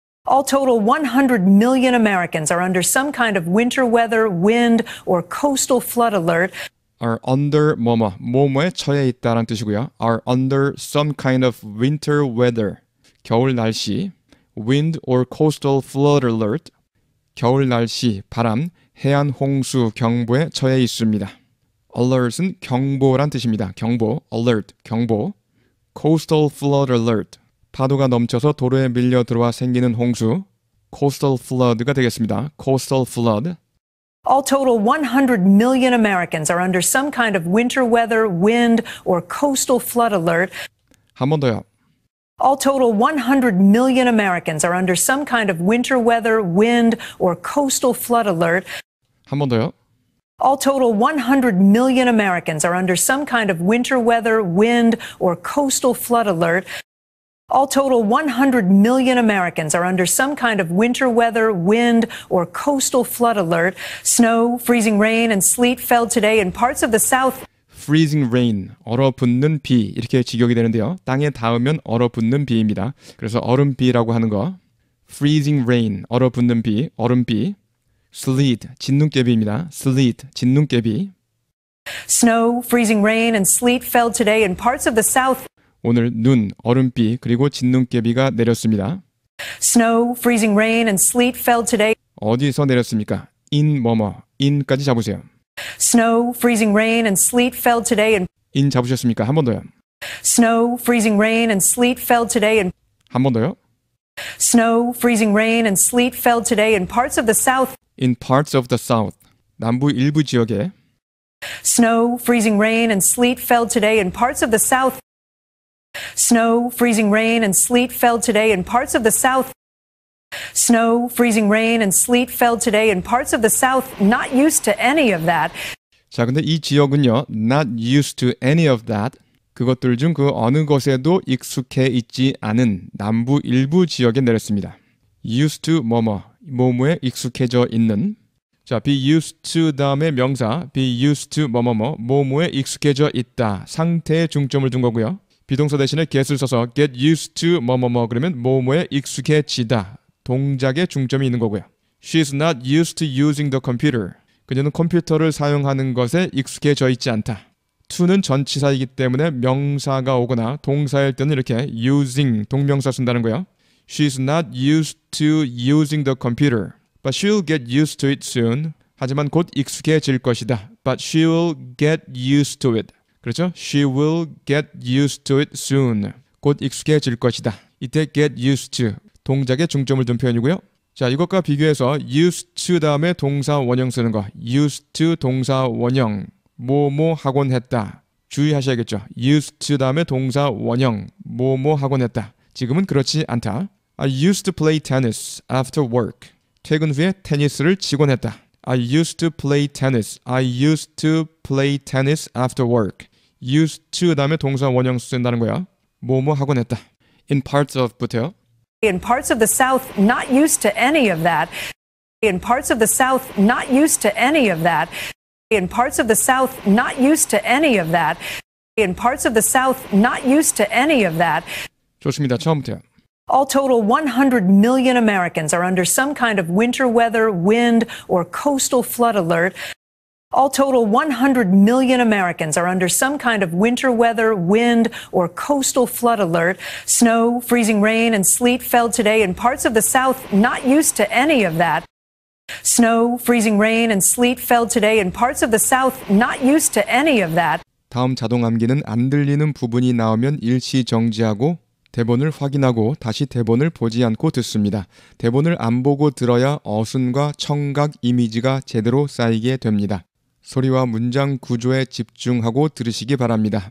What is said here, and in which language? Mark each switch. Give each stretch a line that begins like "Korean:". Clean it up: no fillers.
English: All total 100 million Americans are under some kind of winter weather, wind, or coastal flood alert. Are under
Korean: 뭐뭐, 뭐뭐에 처해 있다라는 뜻이고요.
English: Are under some kind of winter weather.
Korean: 겨울 날씨.
English: wind or coastal flood alert,
Korean: 겨울 날씨, 바람, 해안 홍수 경보에 처해 있습니다. Alert은 경보란 뜻입니다. 경보, alert, 경보.
English: Coastal flood alert,
Korean: 파도가 넘쳐서 도로에 밀려 들어와 생기는 홍수, coastal flood가 되겠습니다.
English: Coastal flood. All total 100 million Americans are under some kind of winter weather, wind, or coastal flood alert.
Korean: 한 번 더요.
English: All total 100 million Americans are under some kind of winter weather, wind, or coastal flood alert.
Korean: 한 번 더요.
English: All total 100 million Americans are under some kind of winter weather, wind, or coastal flood alert. All total 100 million Americans are under some kind of winter weather, wind, or coastal flood alert. Snow, freezing rain, and sleet fell today in parts of the south.
Korean: Freezing rain, 얼어붙는 비, 이렇게 직역이 되는데요. 땅에 닿으면 얼어붙는 비입니다. 그래서 얼음비라고 하는 거. Freezing rain, 얼어붙는 비, 얼음비. Sleet, 진눈깨비입니다. Sleet, 진눈깨비.
English: Snow, freezing rain, and sleet fell today in parts of the south.
Korean: 오늘 눈, 얼음비, 그리고 진눈깨비가 내렸습니다.
English: Snow, freezing rain, and sleet fell today.
Korean: 어디서 내렸습니까? In 뭐뭐, in까지 잡으세요.
English: Snow, freezing rain, and sleet fell today.
Korean: In 잡으셨습니까? 한 번 더요.
English: Snow, freezing rain, and sleet fell today.
Korean: 한 번 더요.
English: Snow, freezing rain, and sleet fell today in parts of the south. In parts of the south,
Korean: 남부 일부 지역에.
English: Snow, freezing rain, and sleet fell today in parts of the south. Snow, freezing rain, and sleet fell today in parts of the south. Snow, freezing rain, and sleet fell today in parts of the south. Not used to any of that.
Korean: 자, 근데 이 지역은요,
English: not used to any of that.
Korean: 그것들 중 그 어느 것에도 익숙해 있지 않은 남부 일부 지역에 내렸습니다. Used to 뭐뭐, 뭐뭐에 익숙해져 있는. 자, be used to 다음에 명사, be used to 뭐뭐뭐, 뭐뭐에 익숙해져 있다. 상태에 중점을 둔 거고요. 비동사 대신에 get을 써서 get used to 뭐뭐뭐 그러면 뭐뭐에 익숙해지다. 동작에 중점이 있는 거고요.
English: She's not used to using the computer.
Korean: 그녀는 컴퓨터를 사용하는 것에 익숙해져 있지 않다. to는 전치사이기 때문에 명사가 오거나 동사일 때는 이렇게 using 동명사 쓴다는 거예요.
English: She's not used to using the computer. But she'll get used to it soon.
Korean: 하지만 곧 익숙해질 것이다.
English: But she'll get used to it.
Korean: 그렇죠?
English: She will get used to it soon.
Korean: 곧 익숙해질 것이다. 이때 get used to, 동작에 중점을 둔 표현이고요. 자, 이것과 비교해서 used to 다음에 동사 원형 쓰는 거. used to 동사 원형, 뭐뭐 하곤 했다. 주의하셔야겠죠. used to 다음에 동사 원형, 뭐뭐 하곤 했다. 지금은 그렇지 않다.
English: I used to play tennis after work.
Korean: 퇴근 후에 테니스를 치곤 했다.
English: I used to play tennis. I used to play tennis after work.
Korean: Used to 다음에 동사 원형 쓴다는 거야. 뭐뭐 하곤 했다. In parts of 부터요.
English: In parts of the south, not used to any of that. In parts of the south, not used to any of that. In parts of the south, not used to any of that. In parts of the south, not used to any of that.
Korean: 좋습니다. 처음부터요.
English: All total 100 million Americans are under some kind of winter weather, wind, or coastal flood alert. All total 100 million Americans are under some kind of winter weather, wind, or coastal flood alert. Snow, freezing rain, and sleet fell today in parts of the south not used to any of that. Snow, freezing rain, and sleet fell today in parts of the south not used to any of that.
Korean: 다음 자동 암기는 안 들리는 부분이 나오면 일시 정지하고 대본을 확인하고 다시 대본을 보지 않고 듣습니다. 대본을 안 보고 들어야 어순과 청각 이미지가 제대로 쌓이게 됩니다. 소리와 문장 구조에 집중하고 들으시기 바랍니다.